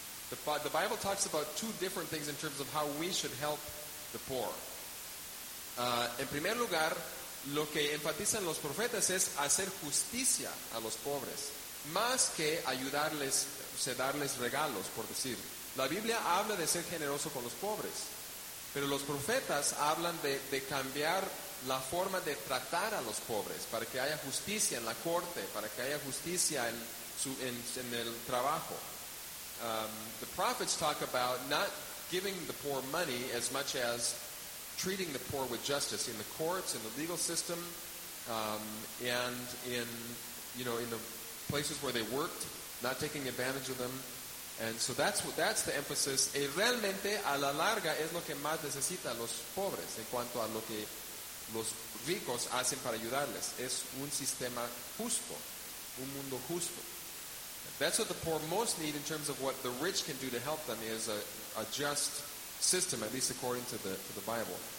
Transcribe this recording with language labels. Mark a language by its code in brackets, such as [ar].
[en] The Bible talks about two different things in terms of how we should help the poor. [es] En primer lugar, lo que enfatizan los profetas es hacer justicia a los pobres, más que ayudarles, darles regalos, por decir. La Biblia habla de ser generoso con los pobres, pero los profetas hablan de cambiar la forma de tratar a los pobres, para que haya justicia en la corte, para que haya justicia en el trabajo. [en] The prophets talk about not giving the poor money as much as treating the poor with justice in the courts, in the legal system, And in, you know, in the places where they worked, not taking advantage of them. And so that's the emphasis. [es] Y realmente, a la larga, es lo que más necesita los pobres en cuanto a lo que los ricos hacen para ayudarles. Es un sistema justo, un mundo justo. [en] That's what the poor most need in terms of what the rich can do to help them is a just system, at least according to the Bible.